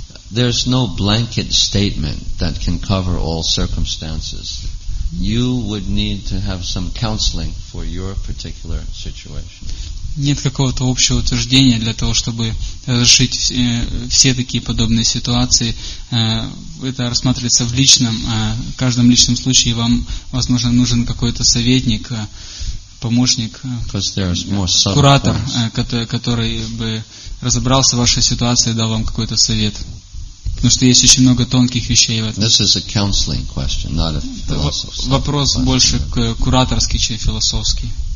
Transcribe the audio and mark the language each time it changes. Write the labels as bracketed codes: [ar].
[en] There's no blanket statement that can cover all circumstances. You would need to have some counseling for your particular situation. [ru] Нет какого-то общего утверждения для того, чтобы разрешить все такие подобные ситуации. Это рассматривается в личном, в каждом личном случае. Вам, возможно, нужен какой-то советник, помощник, куратор, который бы разобрался в вашей ситуации и дал вам какой-то совет. Потому что есть очень много тонких вещей в этом. [en] This is a counseling question, not a philosophical question. [ru] Вопрос больше к кураторский, чем философский.